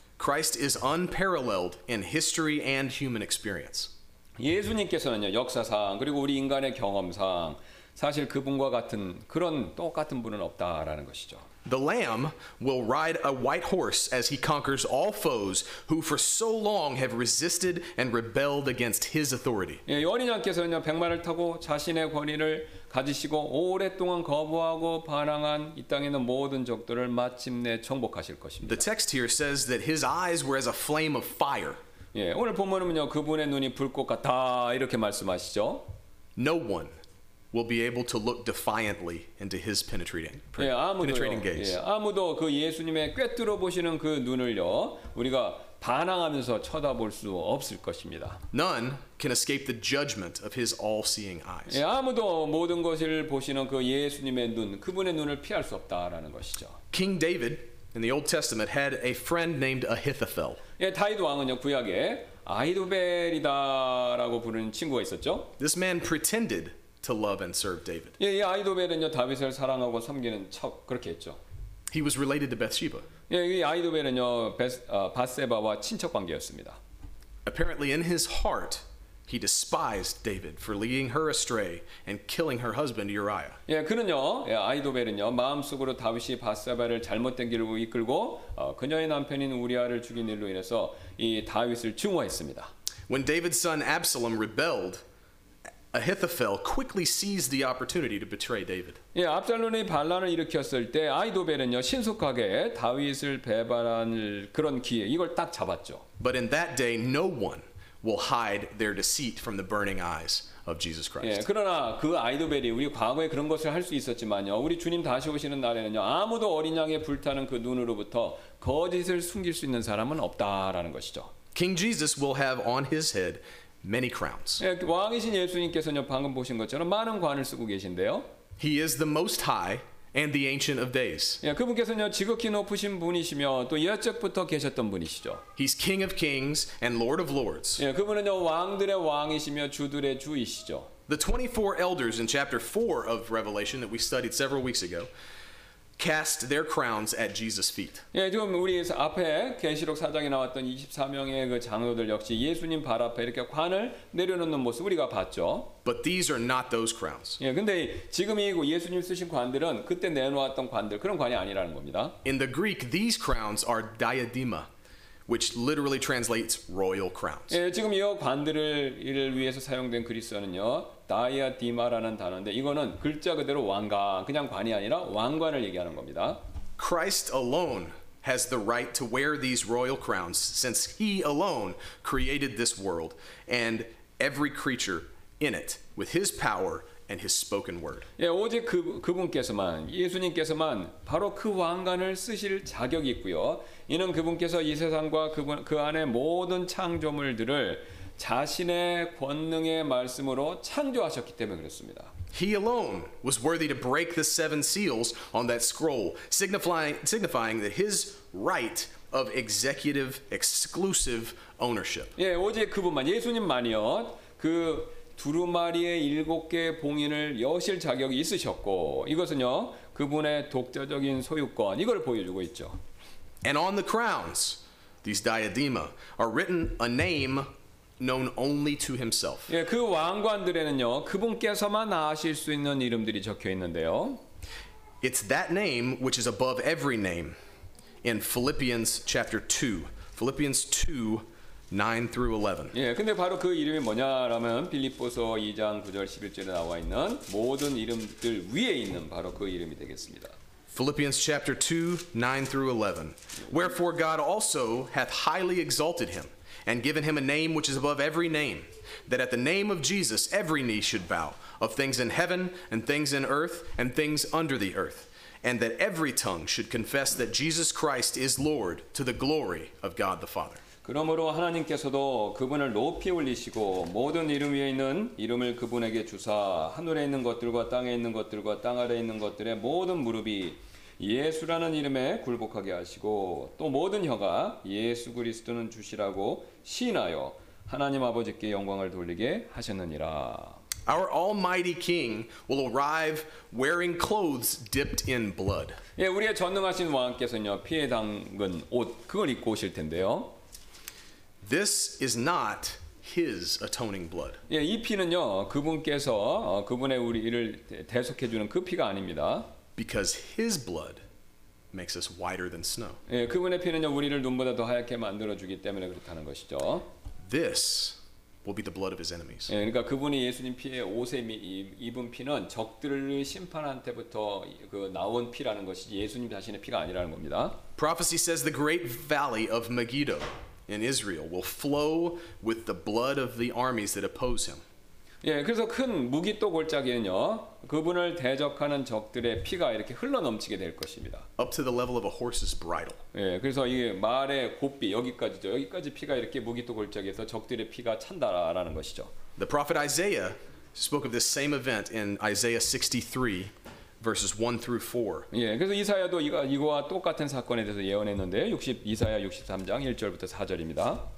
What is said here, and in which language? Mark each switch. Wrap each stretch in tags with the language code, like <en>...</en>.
<en>Christ is unparalleled in history and human experience.</en> <ko>예수님께서는요, 역사상 그리고 우리 인간의 경험상 사실 그분과 같은 그런 똑같은 분은 없다라는 것이죠.</ko> <en>The Lamb will ride a white horse as he conquers all foes who for so long have resisted and rebelled against his authority.</en> <ko>예, 어린양께서는요, 백마를 타고 자신의 권위를 가지시고 오랫동안 거부하고 반항한 이 땅에 있는 모든 족들을 마침내 정복하실 것입니다.</ko> <en>The text here says that his eyes were as a flame of fire.</en> <ko>예, 오늘 본문은요, 그분의 눈이 불꽃 같다 이렇게 말씀하시죠.</ko> <en>No one will be able to look defiantly into his penetrating gaze.</en> <ko>예, 아무도 그 예수님의 꿰뚫어 보시는 그 눈을요, 우리가 반항하면서 쳐다볼 수 없을 것입니다.</ko> <en>None can escape the judgment of his all-seeing eyes.</en> <ko>예, 아무도 모든 것을 보시는 그 예수님의 눈, 그분의 눈을 피할 수 없다라는 것이죠.</ko> <en>King David in the Old Testament had a friend named Ahithophel.</en> <ko>예, 다윗 왕은요, 구약에 아히도벨이다라고 부르는 친구가 있었죠.</ko> <en>This man pretended to love and serve David.</en> <ko>예, 예, 아히도벨은요, 다윗을 사랑하고 섬기는 척 그렇게 했죠.</ko> <en>He was related to Bathsheba.</en> <ko>예, 이 아히도벨은요, 바세바와 친척 관계였습니다.</ko> <en>Apparently in his heart he despised David for leading her astray and killing her husband Uriah.</en> <ko>예, 그는요, 예, 아히도벨은요, 마음속으로 다윗이 바세바를 잘못된 길로 이끌고 그녀의 남편인 우리아를 죽인 일로 인해서 이 다윗을 증오했습니다.</ko> <en>When David's son Absalom rebelled, Ahithophel quickly seized the opportunity to betray David.</en> <ko>예, 압살롬이 반란을 일으켰을 때 아히도벨은요, 신속하게 다윗을 배반할 그런 기회, 이걸 딱 잡았죠.</ko> <en>But in that day, no one will hide their deceit from the burning eyes of Jesus Christ.</en> <ko>예, 그러나 그 아히도벨이 우리 과거에 그런 것을 할 수 있었지만요, 우리 주님 다시 오시는 날에는요, 아무도 어린 양의 불타는 그 눈으로부터 거짓을 숨길 수 있는 사람은 없다라는 것이죠.</ko> <en>King Jesus will have on his head many crowns.</en> <ko>예, 왕이신 예수님께서는요, 방금 보신 것처럼 많은 관을 쓰고 계신데요.</ko> <en>He is the Most High and the Ancient of Days.</en> <ko>예, 그분께서는요, 지극히 높으신 분이시며 또 예적부터 계셨던 분이시죠.</ko> <en>He's King of Kings and Lord of Lords.</en> <ko>예, 그분은요, 왕들의 왕이시며 주들의 주이시죠.</ko> <en>The 24 elders in chapter 4 of Revelation that we studied several weeks ago cast their crowns at Jesus' feet.</en> <ko>예, 지금 우리 앞에 계시록 4장에 나왔던 24명의 그 장로들 역시 예수님 발 앞에 이렇게 관을 내려놓는 모습 우리가 봤죠.</ko> <en>But these are not those crowns.</en> <ko>예, 근데 지금 이 예수님 쓰신 관들은 그때 내놓았던 관들 그런 관이 아니라는 겁니다.</ko> <en>In the Greek, these crowns are diadema, which literally translates royal crowns.</en> <ko>예, 지금 이 관들을 이를 위해서 사용된 그리스어는요, 다이아디마라는 단어인데 이거는 글자 그대로 왕관, 그냥 관이 아니라 왕관을 얘기하는 겁니다.</ko> <en>Christ alone has the right to wear these royal crowns since he alone created this world and every creature in it with his power and his spoken word.</en> <ko>예, 오직 그분께서만 예수님께서만 바로 그 왕관을 쓰실 자격이 있고요. 이는 그분께서 이 세상과 그 안에 모든 창조물들을 자신의 권능의 말씀으로 창조하셨기 때문에 그렇습니다.</ko> <en>He alone was worthy to break the seven seals on that scroll, signifying that his right of executive exclusive ownership.</en> <ko>예, 오직 그분만 예수님만이요. 그 두루마리의 일곱 개 봉인을 여실 자격이 있으셨고 이것은요, 그분의 독자적인 소유권 이걸 보여주고 있죠.</ko> <en>And on the crowns these diadema, are written a name known only to himself.</en> <ko>예, 그 왕관들에는요, 그분께서만 아실 수 있는 이름들이 적혀 있는데요.</ko> <en>It's that name which is above every name in Philippians chapter 2. Philippians 2, 9 through 11.</en> <ko>예, 근데 바로 그 이름이 뭐냐라면 빌립보서 2장 9절 11절에 나와 있는 모든 이름들 위에 있는 바로 그 이름이 되겠습니다.</ko> <en>Philippians chapter 2, 9 through 11. Wherefore God also hath highly exalted him and given him a name which is above every name, that at the name of Jesus every knee should bow, of things in heaven and things in earth and things under the earth. And that every tongue should confess that Jesus Christ is Lord to the glory of God the Father.</en> <ko>그러므로 하나님께서도 그분을 높이 올리시고 모든 이름 위에 있는 이름을 그분에게 주사 하늘에 있는 것들과 땅에 있는 것들과 땅 아래에 있는 것들의 모든 무릎이 예수라는 이름에 굴복하게 하시고 또 모든 혀가 예수 그리스도는 주시라고 시인하여 하나님 아버지께 영광을 돌리게 하셨느니라.</ko> <en>Our Almighty King will arrive wearing clothes dipped in blood.</en> <ko>예, 우리의 전능하신 왕께서는요 피에 담근 옷 그걸 입고 오실 텐데요.</ko> <en>This is not His atoning blood.</en> <ko>예, 이 피는요 그분께서 그분의 우리를 대속해 주는 그 피가 아닙니다.</ko> <en>Because His blood makes us whiter than snow.</en> <ko>예, 그분의 피는요 우리를 눈보다 더 하얗게 만들어 주기 때문에 그렇다는 것이죠.</ko> <en>This will be the blood of his enemies.</en> <ko>예, 그러니까 그분이 예수님 피에 옷에 입은 피는 적들의 심판한테부터 그 나온 피라는 것이 예수님 자신의 피가 아니라는 겁니다.</ko> <en>Prophecy says the great valley of Megiddo in Israel will flow with the blood of the armies that oppose him.</en> <ko>예, 그래서 큰 무기또 골짜기는요. 그분을 대적하는 적들의 피가 이렇게 흘러넘치게 될 것입니다.</ko> <en>Up to the level of a horse's bridle.</en> <ko>예, 그래서 이게 말의 곱비 여기까지죠. 여기까지 피가 이렇게 무기또 골짜기에서 적들의 피가 찬다라는 것이죠.</ko> <en>The prophet Isaiah spoke of this same event in Isaiah 63 verses 1 through 4.</en> <ko>예, 그래서 이사야도 이거와 똑같은 사건에 대해서 예언했는데 이사야 63장 1절부터 4절입니다.</ko>